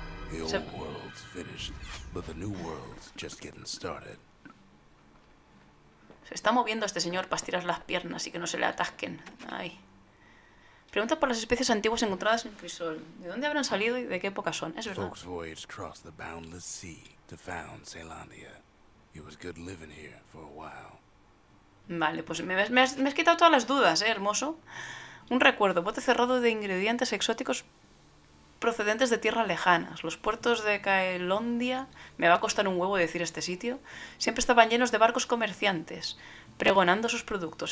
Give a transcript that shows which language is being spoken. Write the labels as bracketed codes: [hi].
[en] The old world's finished, but the new world's just getting started. [es] Se está moviendo este señor para estirar las piernas y que no se le atasquen. Ay. Pregunta por las especies antiguas encontradas en Crisol. ¿De dónde habrán salido y de qué época son? Es verdad. [en] Folks voyaged across the boundless sea to found Ceylandia. It was good living here for a while. [es] Vale, pues me has quitado todas las dudas, ¿eh, hermoso? Un recuerdo, bote cerrado de ingredientes exóticos procedentes de tierras lejanas. Los puertos de Caelondia, me va a costar un huevo decir este sitio, siempre estaban llenos de barcos comerciantes, pregonando sus productos.